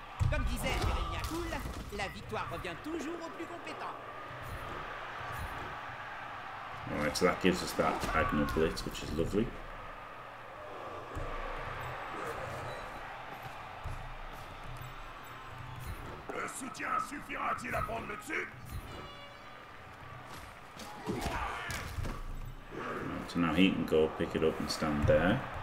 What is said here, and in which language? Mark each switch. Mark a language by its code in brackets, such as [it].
[fr] Comme disait Jérémia Cool, la victoire revient toujours au plus compétent. [en] Alright, so that gives us that diagonal blitz, which is lovely. [fr] Le soutien suffira-t-il à prendre le dessus? [en] So now he can go pick it up and stand there.